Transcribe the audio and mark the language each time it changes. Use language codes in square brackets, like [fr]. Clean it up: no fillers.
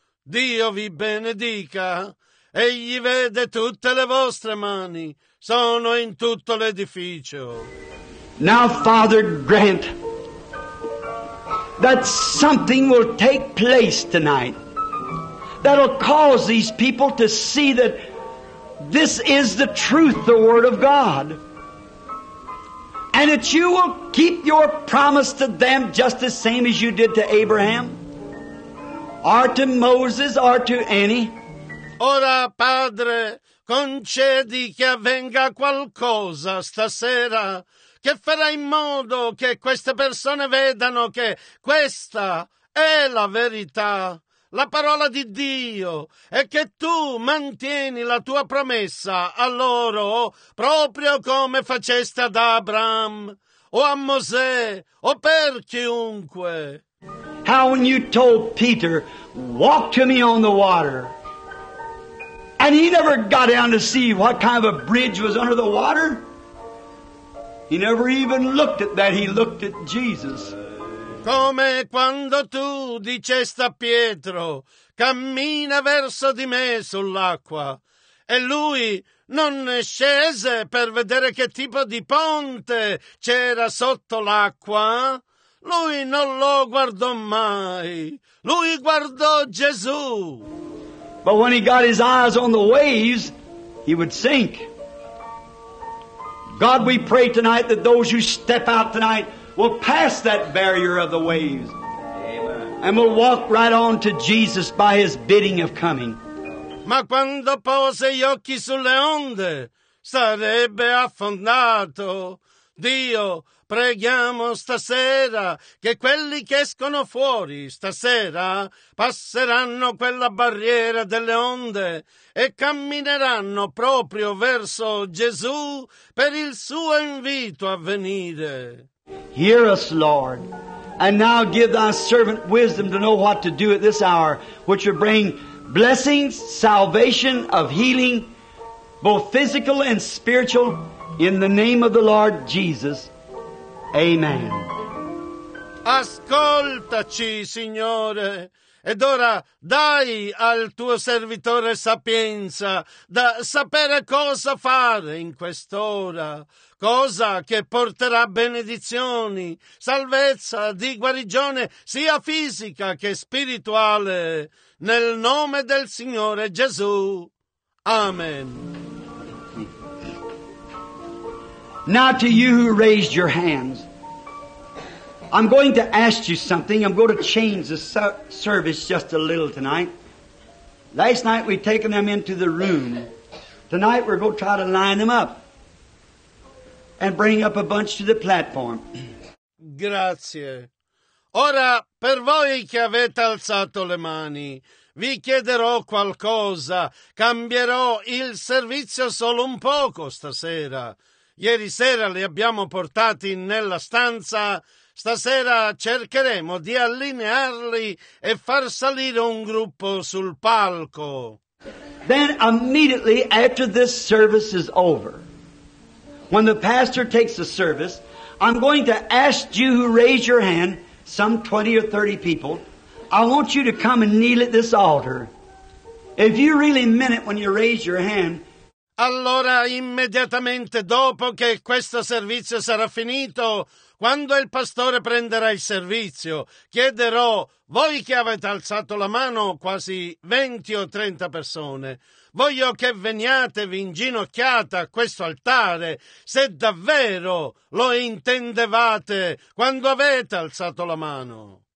[it] Dio vi benedica. Egli vede tutte le vostre mani. Sono in tutto l'edificio. [en] Now, Father, grant that something will take place tonight that'll cause these people to see that this is the truth, the Word of God. And that you will keep your promise to them just the same as you did to Abraham, or to Moses, or to any. [it] Ora, Padre, concedi che avvenga qualcosa stasera che farà in modo che queste persone vedano che questa è la verità, la parola di Dio, e che tu mantieni la tua promessa a loro proprio come facesti ad Abraham o a Mosè o per chiunque. [en] How when you told Peter, walk to me on the water. And he never got down to see what kind of a bridge was under the water. He never even looked at that. He looked at Jesus. [it] Come quando tu dicesti a Pietro, cammina verso di me sull'acqua. E lui non scese per vedere che tipo di ponte c'era sotto l'acqua. Lui non lo guardò mai. Lui guardò Gesù. [en] But when he got his eyes on the waves, he would sink. God, we pray tonight that those who step out tonight will pass that barrier of the waves. Amen. And will walk right on to Jesus by his bidding of coming. [it] Ma quando pose gli occhi sulle onde, sarebbe affondato. Dio, preghiamo stasera che quelli che escono fuori stasera passeranno quella barriera delle onde e cammineranno proprio verso Gesù per il suo invito a venire. [en] Hear us, Lord, and now give thy servant wisdom to know what to do at this hour, which will bring blessings, salvation of healing, both physical and spiritual, in the name of the Lord Jesus. Amen. [it] Ascoltaci, Signore, ed ora dai al tuo servitore sapienza da sapere cosa fare in quest'ora, cosa che porterà benedizioni, salvezza di guarigione sia fisica che spirituale, nel nome del Signore Gesù. Amen. [en] Now to you who raised your hands, I'm going to ask you something. I'm going to change the service just a little tonight. Last night we've taken them into the room. Tonight we're going to try to line them up and bring up a bunch to the platform. [it] Grazie. Ora, per voi che avete alzato le mani, vi chiederò qualcosa. Cambierò il servizio solo un poco stasera. Ieri sera li abbiamo portati nella stanza. Stasera cercheremo di allinearli e far salire un gruppo sul palco. [en] Then immediately after this service is over, when the pastor takes the service, I'm going to ask you who raise your hand, some 20 or 30 people, I want you to come and kneel at this altar. If you really meant it when you raised your hand. [it] Allora, immediatamente dopo che questo servizio sarà finito, quando il pastore prenderà il servizio, chiederò, voi che avete alzato la mano, quasi 20 o 30 persone, voglio che veniate vi inginocchiate a questo altare, se davvero lo intendevate quando avete alzato la mano.